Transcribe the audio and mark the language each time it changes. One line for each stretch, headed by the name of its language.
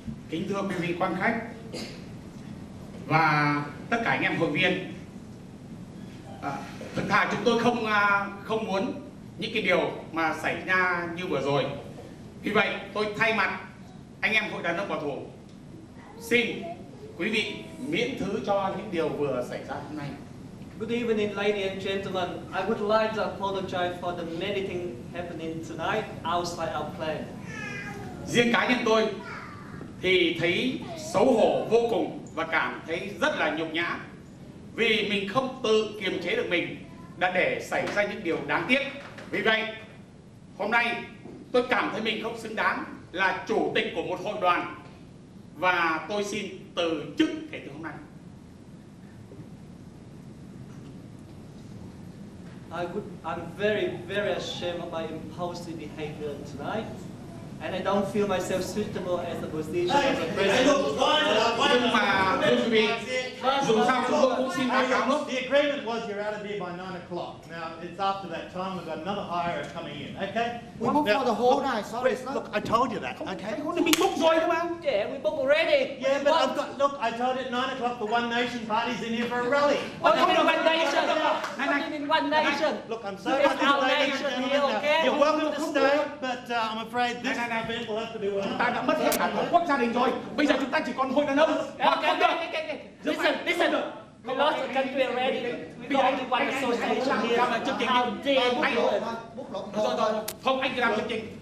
Vietnamese: Kính thưa quý vị quan khách và tất cả anh em hội viên, thật thà chúng tôi không muốn những cái điều mà xảy ra như vừa rồi. Vì vậy tôi thay mặt anh em hội đàn ông bảo thủ xin quý vị miễn thứ cho những điều vừa xảy ra hôm nay.
English: Good evening, ladies and gentlemen. I would like to apologize for the many things happening tonight outside our plan.
Vietnamese: Riêng cá nhân tôi thì thấy xấu hổ vô cùng và cảm thấy rất là nhục nhã vì mình không tự kiềm chế được mình đã để xảy ra những điều đáng tiếc. Vì vậy, hôm nay tôi cảm thấy mình không xứng đáng là chủ tịch của một hội đoàn và tôi xin từ chức kể từ hôm nay.
English: I'm very, very ashamed of my impulsive behavior tonight. And I don't feel myself suitable as a position of the president.
Vietnamese: Nhưng mà, thưa quý vị, dù sao chúng tôi cũng xin báo cáo lúc.
English: The agreement was you're out of here by 9 o'clock. Now, it's after that time, we've got another hire coming in, okay? We booked for the whole night, sorry, sir. Look, I told you that, okay? We booked
Vietnamese: rồi mà.
English: Yeah, we booked already. Yeah, but I've got, look, I told you at 9 o'clock, the One Nation party's in here for a rally. What do you mean One Nation? What do you mean One Nation? Look, I'm sorry about this, ladies and gentlemen. You're welcome to stay, but I'm afraid this...
Vietnamese: Chúng ta đã mất hết cả tổ quốc gia đình rồi. Bây giờ chúng ta chỉ còn hội đàn ông.
English: Listen. We lost the country already. We don't want to associate here.
Vietnamese: Không, anh cứ làm chương trình.